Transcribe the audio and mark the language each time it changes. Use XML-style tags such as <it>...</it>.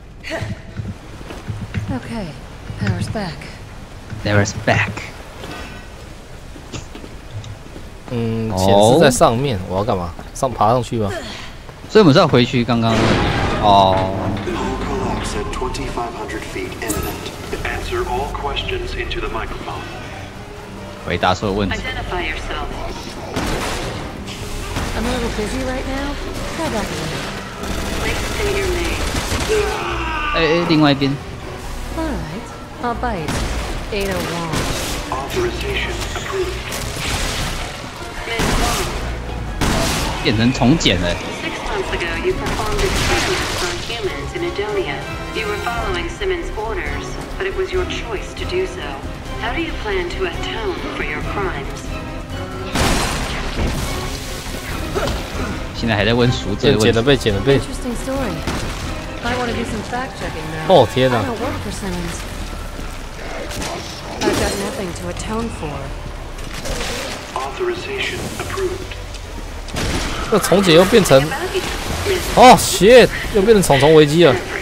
<en>嗯。Okay, power's back. Power's back.</en> <zh>嗯，钱是在上面， oh? 我要干嘛？上爬上去吗？所以我们是要回去刚刚哦。</zh> <en>Call collapse at 2500 feet imminent. Answer all questions into the microphone.</en> <zh>回答所有问题。</zh> <en>Identify yourself. I'm a little busy right now. How about you? Please say your name.</en> <zh>哎哎，另外一边。</zh> <en>All right, I'll bite. Ada Wong. Authorization approved. Miss Wong.</en> <zh>变成重检了。</zh> <en>Months ago, you performed experiments on humans in Adonia. You were following Simmons' orders, but it was your choice to do so. How do you plan to atone for your crimes?</en> <zh>现在还在问赎罪问题。被剪了，被剪了，被。</zh> <en>Interesting story. I want to do some fact checking now.</en> <zh>哦天哪！</zh> <en>I don't work for Simmons. I've got nothing to atone for. Authorization approved.</en> <zh>那虫姐又变成哦、</zh> <en>oh, shit</en> <zh>又变成虫虫危机了。</zh>